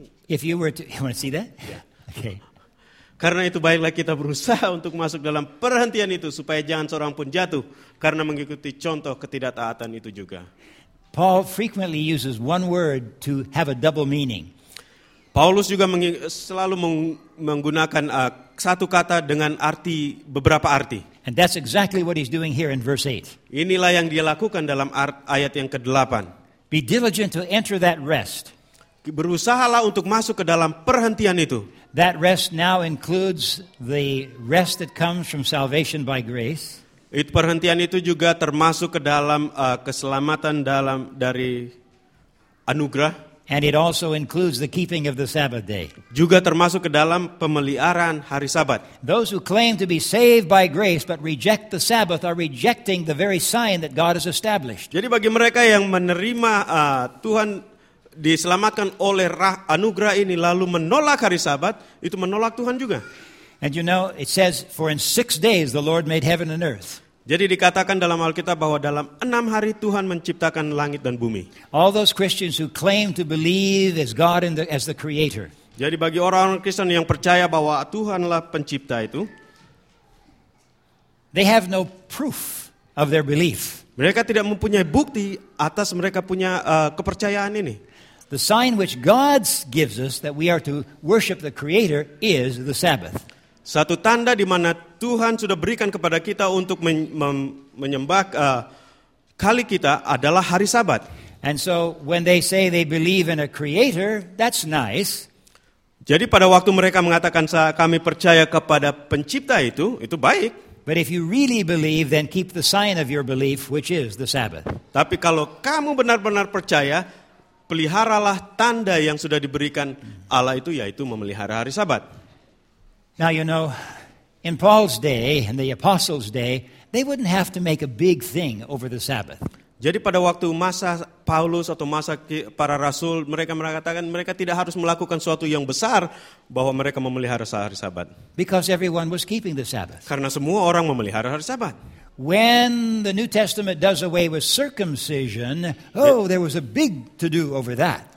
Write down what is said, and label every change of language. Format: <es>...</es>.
<en>If you were to, you want to see that? Yeah. Okay.</en> <id>Karena itu baiklah kita berusaha untuk masuk dalam perhentian itu supaya jangan seorang pun jatuh karena mengikuti contoh ketidaktaatan itu juga.</id> <en>Paul frequently uses one word to have a double meaning.</en> <id>Paulus juga selalu menggunakan satu kata dengan arti beberapa arti.</id> <en>And that's exactly what he's doing here in verse 8.</en> <id>Inilah yang dia lakukan dalam ayat yang ke-8.</id> <en>Be diligent to enter that rest.</en> <id>Berusahalah untuk masuk ke dalam perhentian itu.</id> <en>That rest now includes the rest that comes from salvation by grace.</en> <id>Itu perhentian itu juga termasuk ke dalam keselamatan dari anugerah.</id> <en>And it also includes the keeping of the Sabbath day.</en> <id>Juga termasuk ke dalam pemeliharaan hari Sabat.</id> <en>Those who claim to be saved by grace but reject the Sabbath are rejecting the very sign that God has established.</en> <id>Jadi bagi mereka yang menerima Tuhan diselamatkan oleh anugerah ini lalu menolak hari Sabat, itu menolak Tuhan juga.</id> <en>And you know, it says, for in 6 days the Lord made heaven and earth.</en> <id>Jadi dikatakan dalam Alkitab bahwa dalam 6 hari Tuhan menciptakan langit dan bumi.</id> <en>All those Christians who claim to believe as God and as the Creator.</en> <id>Jadi bagi orang-orang Kristen yang percaya bahwa Tuhanlah pencipta itu,</id> <en>they have no proof of their belief.</en> <id>Mereka tidak mempunyai bukti atas mereka punya kepercayaan ini.</id> <en>The sign which God gives us that we are to worship the Creator is the Sabbath.</en> <id>Satu tanda di mana Tuhan sudah berikan kepada kita untuk menyembah kali kita adalah hari Sabat.</id> <en>And so when they say they believe in a creator, that's nice.</en> <id>Jadi pada waktu mereka mengatakan kami percaya kepada pencipta itu baik.</id> <en>But if you really believe, then keep the sign of your belief, which is the Sabbath.</en> <id>Tapi kalau kamu benar-benar percaya, peliharalah tanda yang sudah diberikan Allah itu, yaitu memelihara hari Sabat.</id> <en>Now you know, in Paul's day and the apostles' day, they wouldn't have to make a big thing over the Sabbath.</en> <id>Jadi pada waktu masa Paulus atau masa para rasul, mereka mengatakan mereka tidak harus melakukan sesuatu yang besar bahwa mereka memelihara hari Sabat.</id> <en>Because everyone was keeping the Sabbath.</en> <id>Karena semua orang memelihara hari Sabat.</id> <en>When the New Testament does away with circumcision, there was a big to do over that.</en>